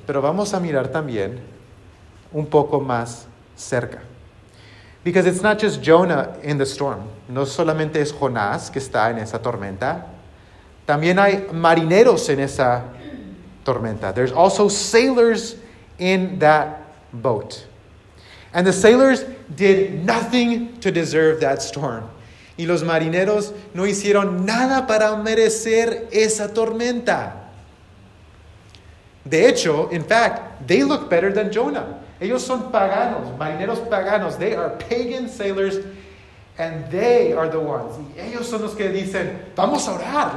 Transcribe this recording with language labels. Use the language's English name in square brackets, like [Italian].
[Spanish] Pero vamos a mirar también un poco más cerca. [English] Because it's not just Jonah in the storm. [Spanish] No solamente es Jonás que está en esa tormenta. También hay marineros en esa tormenta. [English] There's also sailors in that boat. And the sailors did nothing to deserve that storm. [Spanish] Y los marineros no hicieron nada para merecer esa tormenta. De hecho, [English] in fact, they look better than Jonah. [Spanish] Ellos son paganos, marineros paganos. [English] They are pagan sailors, and they are the ones. [Spanish] Y ellos son los que dicen, vamos a orar.